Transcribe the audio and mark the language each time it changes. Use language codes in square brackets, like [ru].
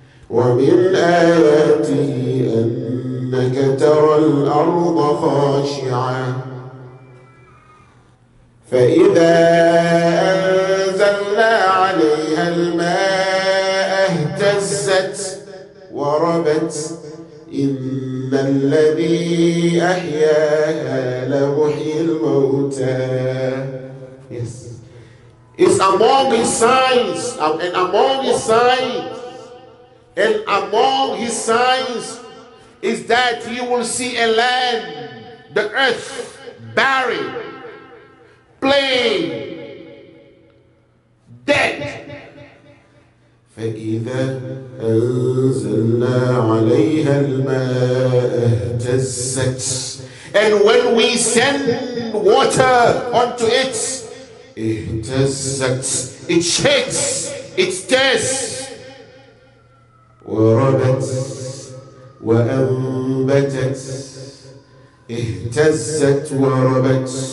[ar] وَمِنْ آيَاتِهِ أَنَّكَ تَرَى الْأَرْضَ خَاشِعًا فَإِذَا أَنْزَلْنَا عَلَيْهَا الْمَاءَ اهْتَزَّتْ وَرَبَتْ إن الذي أحياها لمحيي الموتى. [en] Yes. It's among his signs and among his signs and among his signs is that you will see a land, the earth, barren, plain, dead. [ar] فإذا أنزلنا عليها الماء اهتزت [en] and when we send water onto it [ar] اهتزت [en] it shakes it stirs [ar] وربت وأنبتت اهتزت وربت